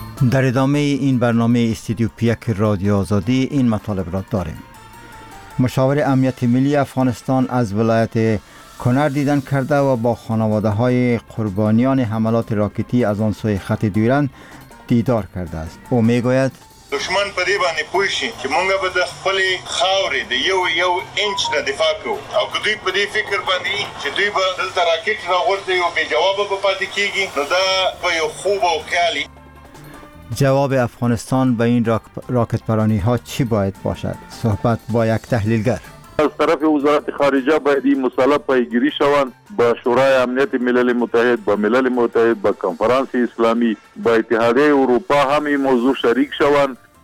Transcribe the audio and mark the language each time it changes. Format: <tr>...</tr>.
<fa>در ادامه این برنامه استودیو پیک رادیو آزادی این مطالب را داریم. مشاور امنیت ملی افغانستان از ولایت کنر دیدن کرده و با خانواده های قربانیان حملات راکتی از آن سوی خط دیرن دیدار کرده است. او می گوید:</fa> <ps>دشمن په دې باندې پوه شي چې مونږ به د خپلې خاورې د یو انچ نه دفاع کوو، او که دوی په دې فکر باندې چې دوی به دلته راکټ راغورځوي او بې جوابه به پاتې کیږي، نو دا به یو خوب او خیالي</ps> <fa>جواب افغانستان به این راکت پرانی ها چی باید باشد؟ صحبت با یک تحلیلگر. از طرف وزارت خارجه باید این مسئله پیگیری شوند، با شورای امنیت ملل متحد، با ملل متحد، با کنفرانس اسلامی، با اتحادیه اروپا هم این موضوع شریک شوند.</fa>